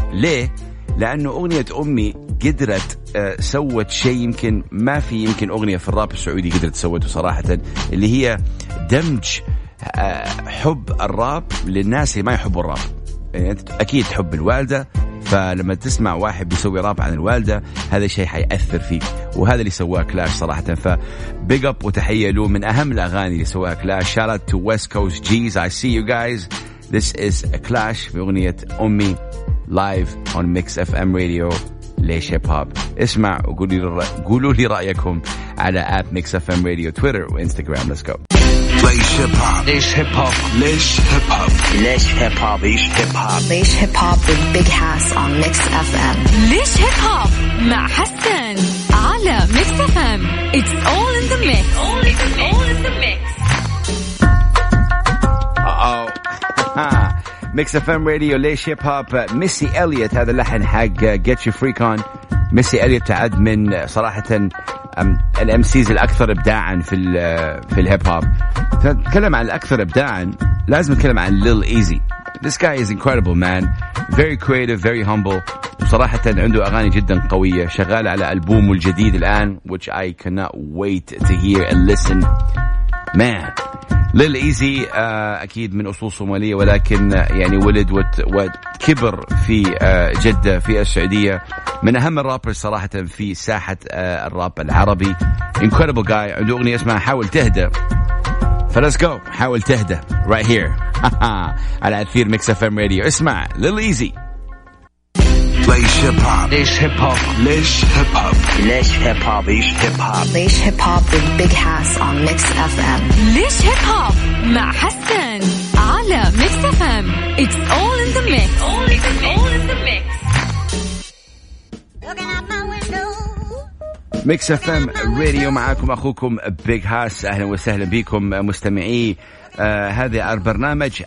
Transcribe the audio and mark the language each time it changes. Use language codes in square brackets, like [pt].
[ar] ليه؟ لأنه أغنية أمي قدرت سوت شيء يمكن ما في يمكن أغنية في الراب السعودي قدرت سوته صراحة, اللي هي دمج حب الراب للناس اللي ما يحبوا الراب. يعني أكيد حب الوالدة, فلما تسمع واحد بيسوي راب عن الوالدة هذا شيء حيأثر فيك, وهذا اللي سواه كلاش صراحة. فبيج أب وتحية له, من أهم الأغاني اللي سواها كلاش. [en] Shout out to West Coast G's, I see you guys. This is a Clash [ar] في أغنية أمي [en] live on Mix FM Radio. Laish Hip Hop. [ar] اسمع وقولوا لي رأيكم على app Mix FM Radio, Twitter وInstagram. [en] Let's go. Laish Hip Hop. Laish Hip Hop. Laish Hip Hop. Laish Hip Hop. Laish Hip Hop. Laish Hip Hop with Big Hass on Mix FM. [ar] Laish Hip Hop مع حسن على Mix FM. [en] It's all in the mix. All in the mix. All in the mix. Uh-oh. [ar] Mix FM Radio, Laish Hip Hop, Missy Elliott, هذا اللحن حق Get You Freak On. Missy Elliott تعد من صراحة الأمسيز الأكثر إبداعا في الهيب هوب. تتكلم عن الأكثر إبداعا لازم نتكلم عن Lil Easy. [en] This guy is incredible, man. Very creative, very humble. [ar] بصراحة عنده أغاني جدا قوية. شغال على ألبومه الجديد الآن, [en] which I cannot wait to hear and listen. [ar] Man, Lil Easy, أكيد من أصول صومالية, ولكن يعني ولد وكبر في جدة في السعودية. من أهم الرابر صراحة في ساحة الراب العربي. [en] Incredible guy. [ar] عنده أغنية اسمها حاول تهدى. [en] Let's go. [ar] حاول تهدى [en] right here. [ar] على أثير Mix FM Radio. اسمع Lil Easy. [en] Laish Hip Hop. Laish Hip Hop. Laish Hip Hop. Laish Hip Hop. Laish Hip Hop. Laish Hip Hop with Big Hass on Mix FM. Laish Hip Hop. [ar] مع حسن على Mix FM. [en] It's all in the mix. It's all in the mix. All in the mix. [ar] ميكس اف ام راديو, معاكم اخوكم بيغ هاس. اهلا وسهلا بكم مستمعي هذا البرنامج.